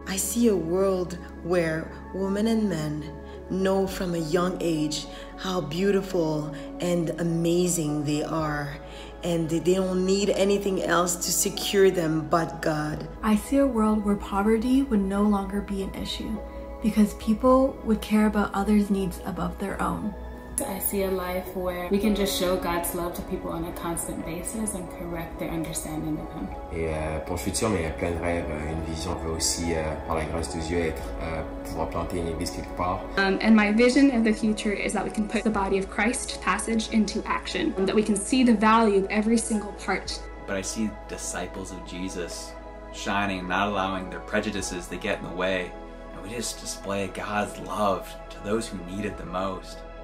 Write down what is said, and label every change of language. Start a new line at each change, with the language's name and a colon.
English: I see a world where women and men know from a young age how beautiful and amazing they are, and they don't need anything else to secure them but God. I see a world where poverty would no longer be an issue because people would care about others' needs above their own. I see a life where we can just show God's love to people on a constant basis and correct their understanding of Him.
French: Et pour le futur, mais il y a plein de rêves. Une vision veut aussi, par la grâce de Dieu, être pouvoir planter une église quelque part.
English: And my vision of the future is that we can put the body of Christ passage into action, that we can see the value of every single part. But I see disciples of Jesus shining, not allowing their prejudices to get in the way. And we just display God's love to those who need it the most.